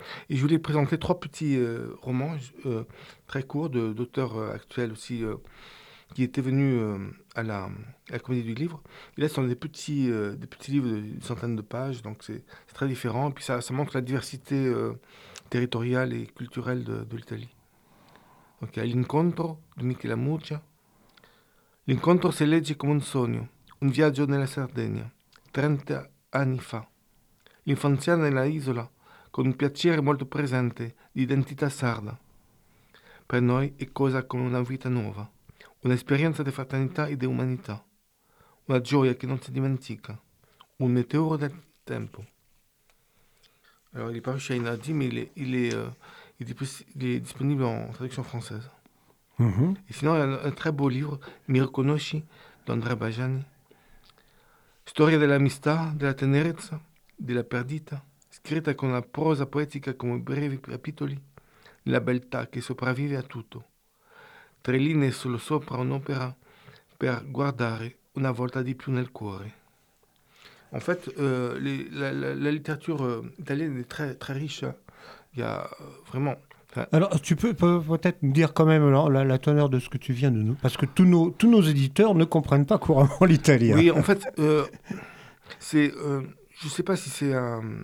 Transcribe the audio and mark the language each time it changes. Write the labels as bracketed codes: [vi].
[fr] Et je voulais présenter trois petits romans très courts d'auteurs actuels aussi, qui étaient venus à la Comédie du Livre. Et là, ce sont des petits livres d'une centaine de pages, donc c'est très différent. Et puis ça montre la diversité territoriale et culturelle de l'Italie. Donc il y a [it] l'incontro di Michela Murgia. L'incontro si legge come un sogno, un viaggio nella Sardegna, 30 anni fa. L'infanzia nella isola, con un piacere molto presente di identità sarda. Per noi è cosa come una vita nuova, un'esperienza di fraternità e di umanità. Una gioia che non si dimentica, un meteoro del tempo. Allora, il paruscia in Adimile, [fr] il est disponible en traduction française. Mmh. Et sinon, il y a un très beau livre, Mi riconosci, d'André Bajani. [it] Storia dell'amistà, della tenerezza, della perdita, scritta con la prosa poetica come brevi capitoli, la beltà che sopravvive a tutto. Tre linee solo sopra un'opera per guardare una volta di più nel cuore. [fr] En fait, la littérature italienne est très, très riche. Il y a vraiment... Alors, tu peux peut-être me dire quand même la teneur de ce que tu viens de nous. Parce que tous nos éditeurs ne comprennent pas couramment l'italien. Oui, en fait, je ne sais pas si c'est un...